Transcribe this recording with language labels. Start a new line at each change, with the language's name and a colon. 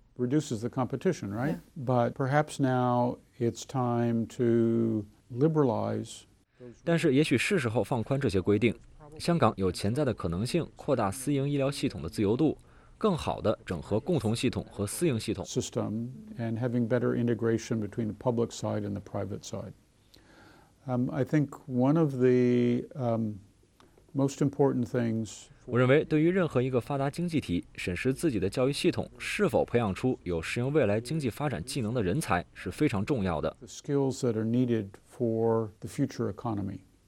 English: Reduces the competition, right? But perhaps now it's time to liberalize.
Chinese: 但是也许是时候放宽这些规定。香港有潜在的可能性扩大私营医疗系统的自由度，更好地整合共同系统和私营系统。
English: And having better integration between the public side and the private side. I think one of the most important things.
Chinese: 我认为，对于任何一个发达经济体，审视自己的教育系统是否培养出有适应未来经济发展技能的人才是非常重要的。
English: The skills that are needed for the future economy.